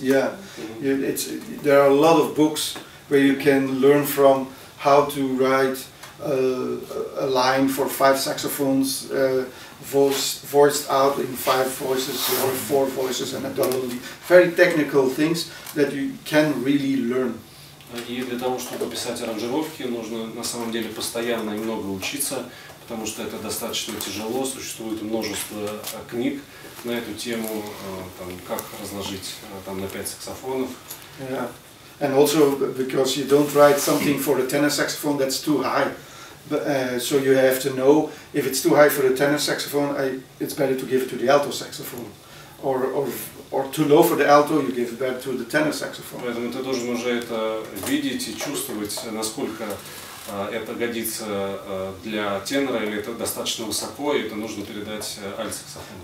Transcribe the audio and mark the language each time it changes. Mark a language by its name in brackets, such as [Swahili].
[English] Yeah, it's there are a lot of books where you can learn from how to write a line for five saxophones, voiced out in five voices or four voices and a double. Very technical things that you can really learn. [Russian] И для того, чтобы писать аранжировки, нужно на самом деле постоянно и много учиться. Потому что это достаточно тяжело, существует множество книг на эту тему, там, как разложить там, на пять саксофонов. [English] Yeah. And also because you don't write something for a tenor saxophone that's too high. So you have to know if it's too high for a tenor saxophone, it's better to give it to the alto saxophone. Or too low for the alto, you give it back to the tenor saxophone. [Russian] Поэтому ты должен уже это видеть и чувствовать, насколько это годится для тенора или это достаточно высоко и это нужно передать альтсаксофону.